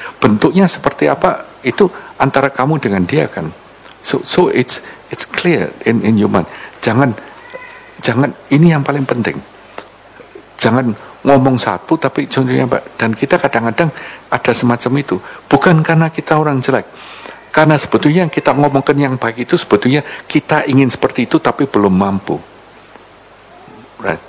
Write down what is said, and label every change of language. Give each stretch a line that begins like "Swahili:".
Indonesian: Bentuknya seperti apa, itu antara kamu dengan dia kan.
English: So it's clear in your mind.
Indonesian: Jangan ini yang paling penting. Jangan ngomong satu, tapi contohnya apa? Dan kita kadang-kadang ada semacam itu. Bukan karena kita orang jelek. Karena sebetulnya yang kita ngomongkan yang baik itu sebetulnya kita ingin seperti itu tapi belum mampu.
English: Right.